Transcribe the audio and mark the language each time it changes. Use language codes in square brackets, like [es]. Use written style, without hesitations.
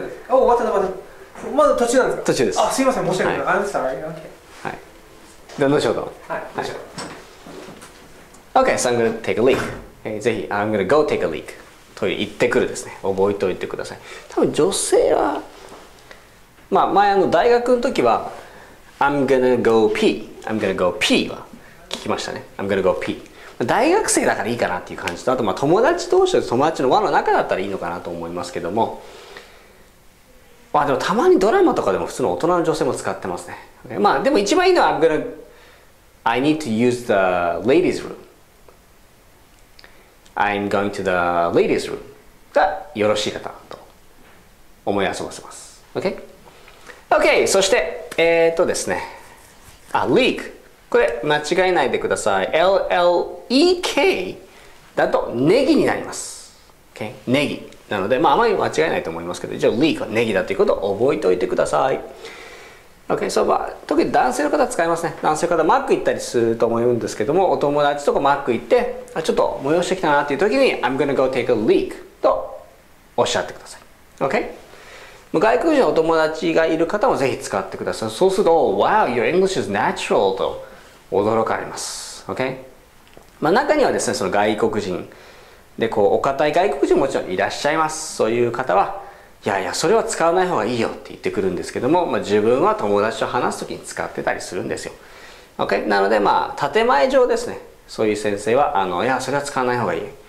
[ja] お、終わった、終わった。まだ途中なんですか。途中です。あ、すいません、申し訳ない。 [en] I'm sorry、 OK、 [ja] はい、じゃあ、後ほど。はい、後ほど。 [en] OK、so I'm gonna take a leak。 [ja] ぜひ、 [en] I'm gonna go take a leak。 [ja] トイレ行ってくるですね。覚えておいてください。多分女性は、まあ、前大学の時は [en] I'm gonna go pee。 I'm gonna go pee [ja] は聞きましたね。 [en] I'm gonna go pee。 [ja] 大学生だからいいかなっていう感じと、あとまあ友達同士で、友達の輪の中だったらいいのかなと思いますけども、まあでもたまにドラマとかでも普通の大人の女性も使ってますね。まあでも一番いいのは [en] I need to use the ladies room。 I'm going to the ladies room [ja] がよろしい方と思い遊ばせます。 [en] OK? OK! [ja] そしてですね、あ、leak。これ、間違えないでください。L-L-E-K だと、ネギになります。 [en] Okay? [ja] ネギ。なので、まあ、あまり間違えないと思いますけど、じゃあ、leak はネギだということを覚えておいてください。 [en] Okay? [ja] So, まあ、特に男性の方は使いますね。男性の方、マック行ったりすると思うんですけども、お友達とかマック行って、あ、ちょっと催してきたなっていう時に、 [en] I'm gonna go take a leak [ja] とおっしゃってください。 [en] Okay? [ja] 外国人のお友達がいる方もぜひ使ってください。そうすると、 [en] oh, Wow, your English is natural! [ja] と驚かれます。 [en] OK? [ja] まあ中にはですね、その外国人で、こう、お堅い外国人ももちろんいらっしゃいます。そういう方は、いやいや、それは使わない方がいいよって言ってくるんですけども、まあ自分は友達と話すときに使ってたりするんですよ。 [en] OK? [ja] なので、まあ、建前上ですね、そういう先生は、いや、それは使わない方がいい。